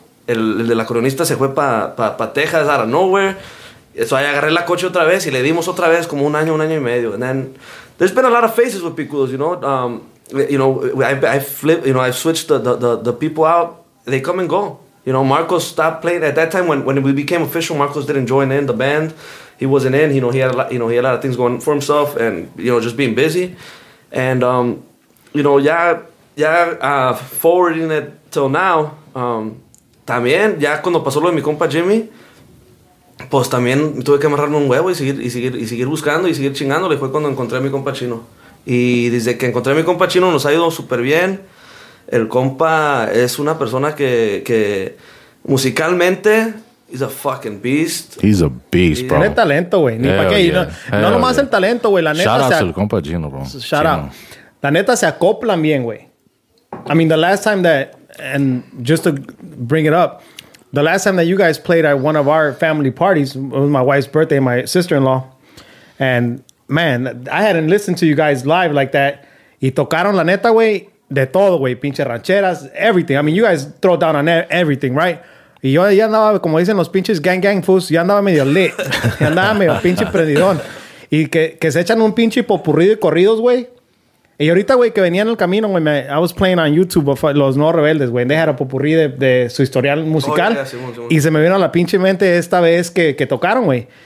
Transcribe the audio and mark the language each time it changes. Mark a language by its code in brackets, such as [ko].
[es] El de la coronista se fue pa Texas [en] out of nowhere. [es] So ahí agarré la coche otra vez y le dimos otra vez como un año y medio. [en] And then, there's been a lot of faces with picudos, you know. You know, I've switched the people out. They come and go. You know, Marcos stopped playing at that time when we became official. Marcos didn't join in the band. He wasn't in. You know, he had a lot of things going for himself and, you know, just being busy. And you know, forwarding it till now. [es] También ya cuando pasó lo de mi compa Jimmy, pues también tuve que amarrarme un huevo y seguir buscando y seguir chingando. Le fue cuando encontré a mi compa Chino. Y desde que encontré a mi compa Chino nos ha ido súper bien. El compa es una persona que musicalmente [en] is a fucking beast. He's a beast, bro. [es] Tiene talento, güey. Ni para qué. Yeah. No nomás yeah. El talento, güey. La neta. [en] Shout out to [es] el compa [en] Chino, bro. Shout Chino. [es] Out. La neta se acoplan bien, güey. [en] I mean, the last time that, and just to bring it up, the last time that you guys played at one of our family parties, it was my wife's birthday, my sister-in-law, and... Man, I hadn't listened to you guys live like that. [es] Y tocaron la neta, güey, de todo, güey. Pinche rancheras, everything. [en] I mean, you guys throw down on everything, right? [es] Y yo ya andaba, como dicen los pinches gang fools, yo andaba medio lit. Yo andaba medio pinche prendidón. Y que se echan un pinche popurrí de corridos, güey. Y ahorita, güey, que venía en el camino, güey, [en] I was playing on YouTube before, [es] Los No Rebeldes, güey. [en] They had a popurrí [es] de su historial musical. Oh, yeah, sí, y se me vino a la pinche mente esta vez que tocaron, güey.